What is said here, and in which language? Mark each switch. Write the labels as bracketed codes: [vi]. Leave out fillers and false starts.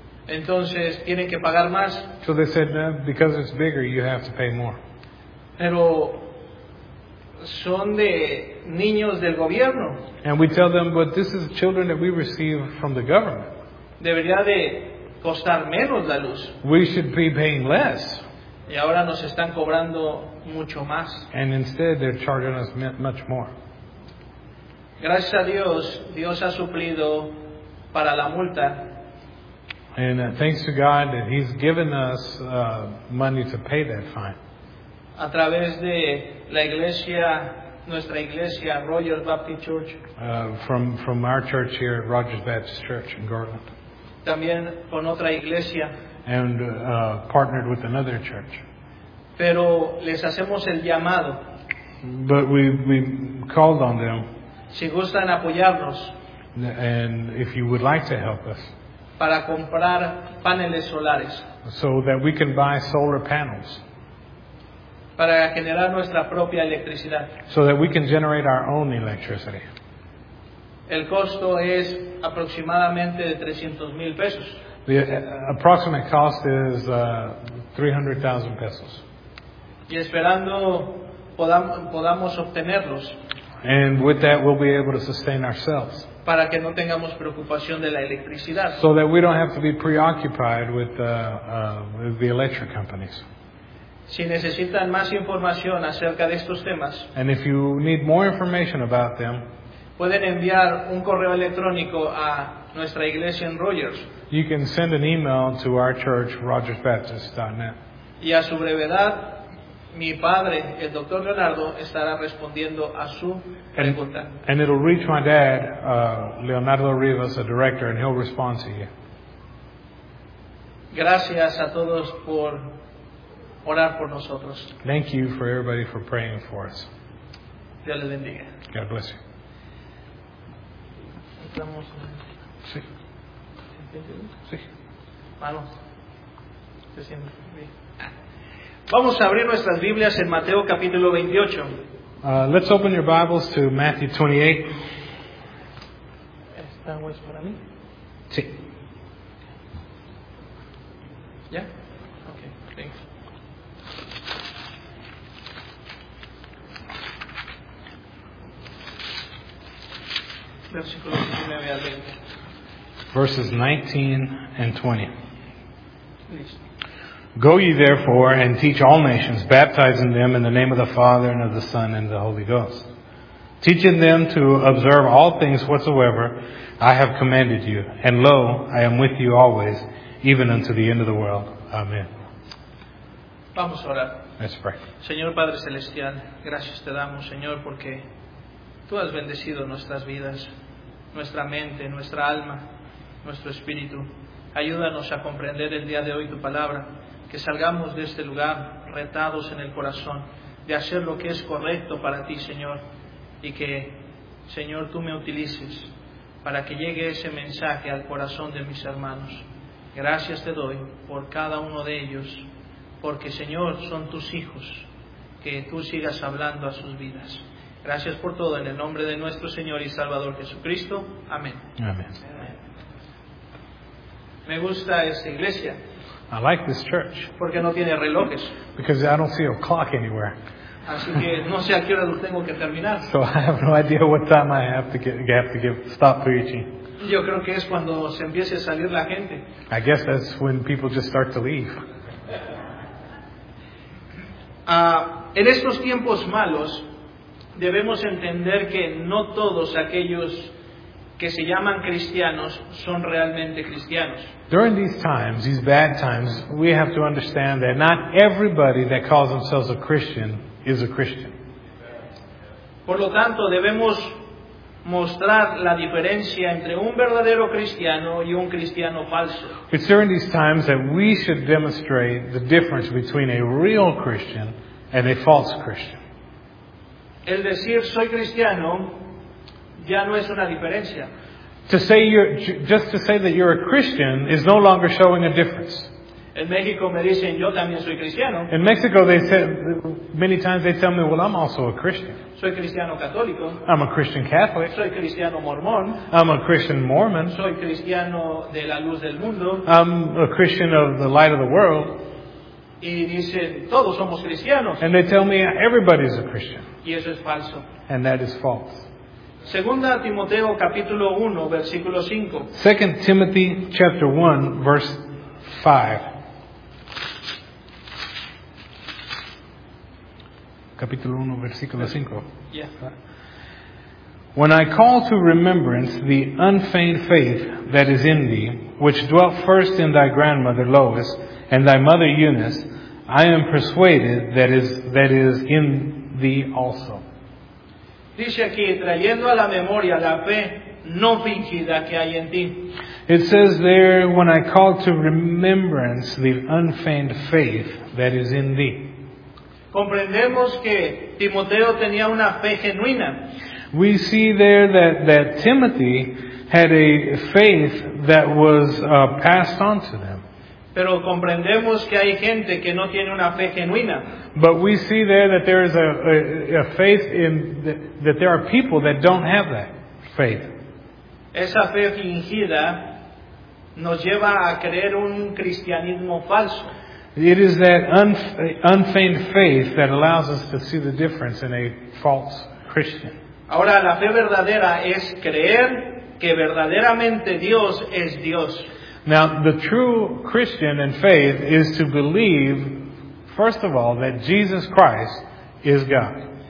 [es] Entonces tienen que pagar más. [en] So they said, no, because it's bigger, you have to pay more. [es] Pero son de niños del gobierno. [en] And we tell them, but this is children that we receive from the government. [es] Debería de costar menos la luz. [en] We should be paying less. [es] Y ahora nos están cobrando mucho más. [en] And instead they're charging us much more. [es] Gracias a Dios, Dios ha suplido para la multa. [en] And thanks to God that He's given us money to pay that fine. [es] A través de la iglesia, nuestra iglesia, Rogers Baptist Church. [en] From our church here at Rogers Baptist Church in Garland. [es] También con otra iglesia. [en] And partnered with another church. [es] Pero les hacemos el llamado. [en] But we called on them. [es] Si gustan apoyarnos. [en] And if you would like to help us. [es] Para comprar paneles solares. [en] So that we can buy solar panels. [es] Para generar nuestra propia electricidad. [en] So that we can generate our own electricity. [es] El costo es aproximadamente de 300 mil pesos. [en] The approximate cost is 300,000 pesos. [es] Y esperando podamos obtenerlos. [en] And with that we'll be able to sustain ourselves. [es] Para que no tengamos preocupación de la electricidad. [en] So that we don't have to be preoccupied with the electric companies. [es] Si necesitan más información acerca de estos temas. [en] And if you need more information about them. [es] Pueden enviar un correo electrónico a nuestra iglesia en Rogers. [en] You can send an email to our church, rogersbaptist.net. [es] Y a su brevedad, mi padre, el Dr. Leonardo, estará respondiendo a su pregunta. [en] And it'll reach my dad, Leonardo Rivas, the director, and he'll respond to you. [es] Gracias a todos por orar por nosotros. [en] Thank you for everybody for praying for us. [es] Dios les bendiga. [en] God bless you. [es] Estamos. Sí. Sí. Manos. Se siente bien. Vamos a abrir nuestras Biblias en Mateo capítulo 28. [en] Let's open your Bibles to Matthew 28. [es] ¿Esta es para mí? Sí. ¿Ya? [en] Yeah? Ok, thanks. [es] Versículo 19 al 20. [en] Verses 19 and 20. [es] Listo. [en] Go ye therefore and teach all nations, baptizing them in the name of the Father and of the Son and of the Holy Ghost, teaching them to observe all things whatsoever I have commanded you. And lo, I am with you always, even unto the end of the world. Amen. [es] Vamos a orar. [en] Let's pray. [es] Señor Padre Celestial, gracias te damos, Señor, porque tú has bendecido nuestras vidas, nuestra mente, nuestra alma, nuestro espíritu. Ayúdanos a comprender el día de hoy tu palabra, que salgamos de este lugar retados en el corazón, de hacer lo que es correcto para ti, Señor, y que, Señor, tú me utilices para que llegue ese mensaje al corazón de mis hermanos. Gracias te doy por cada uno de ellos, porque, Señor, son tus hijos, que tú sigas hablando a sus vidas. Gracias por todo, en el nombre de nuestro Señor y Salvador Jesucristo. Amén. Amén. Me gusta esta iglesia. [en] I like this church. [es] Porque no tiene relojes. [en] Because I don't see a clock anywhere. [es] Así que no sé a qué hora lo tengo que terminar. [en] So I have no idea what time I have to stop preaching. [es] Yo creo que es cuando se empiece a salir la gente. [en] I guess that's when people just start to leave. [es] En estos tiempos malos, debemos entender que no todos aquellos que se llaman cristianos son realmente cristianos. [en] During these times, these bad times, we have to understand that not everybody that calls themselves a Christian is a Christian. [es] Por lo tanto, debemos mostrar la diferencia entre un verdadero cristiano y un cristiano falso. [en] It's during these times that we should demonstrate the difference between a real Christian and a false Christian. [es] El decir soy cristiano ya no es una diferencia. [en] To say that you're a Christian is no longer showing a difference. [es] En México me dicen, yo también soy cristiano. [en] In Mexico, they said, many times they tell me, well, I'm also a Christian. [es] Soy cristiano católico. [en] I'm a Christian Catholic. [es] Soy cristiano mormón. [en] I'm a Christian Mormon. [es] Soy cristiano de la luz del mundo. [en] I'm a Christian of the light of the world. [es] Y dicen, todos somos cristianos. [en] And they tell me, everybody's a Christian. [es] Y eso es falso. [en] And that is false. [es] 2 Timoteo capítulo 1 versículo 5. [en] 2 Timothy chapter 1 verse 5. [es] Capítulo 1 versículo 5. [en] Yeah. When I call to remembrance the unfeigned faith that is in thee, which dwelt first in thy grandmother Lois and thy mother Eunice, I am persuaded that is in thee also. [es] Dice aquí, trayendo a la memoria la fe no fingida que hay en ti. [en] It says there, when I call to remembrance the unfeigned faith that is in thee. [es] Comprendemos que Timoteo tenía una fe genuina. [en] We see there that Timothy had a faith that was passed on to them. [es] Pero comprendemos que hay gente que no tiene una fe genuina. [en] But we see there that there is a faith in that there are people that don't have that faith. [es] Esa fe fingida nos lleva a creer un cristianismo falso. [en] It is that unfeigned faith that allows us to see the difference in a false Christian. [es] Ahora, la fe verdadera es creer que verdaderamente Dios es Dios. [en] Now, the true Christian and faith is to believe, first of all, that Jesus Christ is God.